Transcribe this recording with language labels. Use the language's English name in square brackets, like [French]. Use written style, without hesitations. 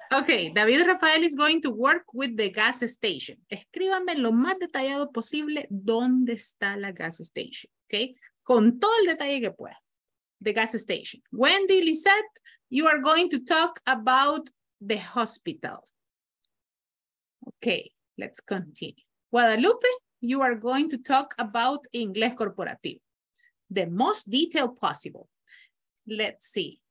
[English] Okay, David Rafael is going to work with the gas station. [Spanish] Escríbanme lo más detallado posible dónde está la gas station, okay? Con todo el detalle que pueda. [English] The gas station. Wendy, Lisette, you are going to talk about the hospital. Okay, let's continue. Guadalupe, you are going to talk about Inglés Corporativo. The most detailed possible. Let's see.